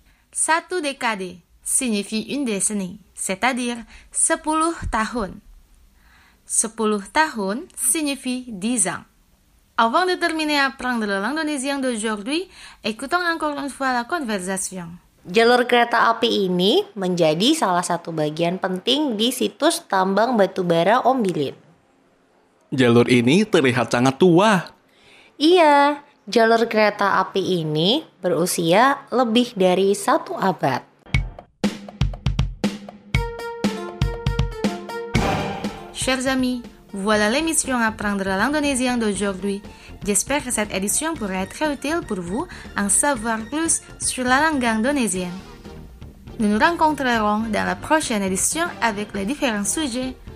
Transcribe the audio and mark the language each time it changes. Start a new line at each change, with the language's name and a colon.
French: Satu décadé signifie une décennie, c'est-à-dire 10 tahun. 10 tahun signifie 10 ans. Avant de terminer apprendre le langdonésien d'aujourd'hui, écoutons encore une fois la conversation.
Indonesian: Jalur kereta api ini menjadi salah satu bagian penting di situs tambang batubara Ombilin. Jalur ini terlihat sangat tua. Iya, jalur kereta api ini berusia lebih dari satu abad.
French: Chers amis, voilà l'émission Apprendre la langue indonésienne d'aujourd'hui. J'espère que cette édition pourra être utile pour vous en savoir plus sur la langue indonésienne. Nous nous rencontrerons dans la prochaine édition avec les différents sujets.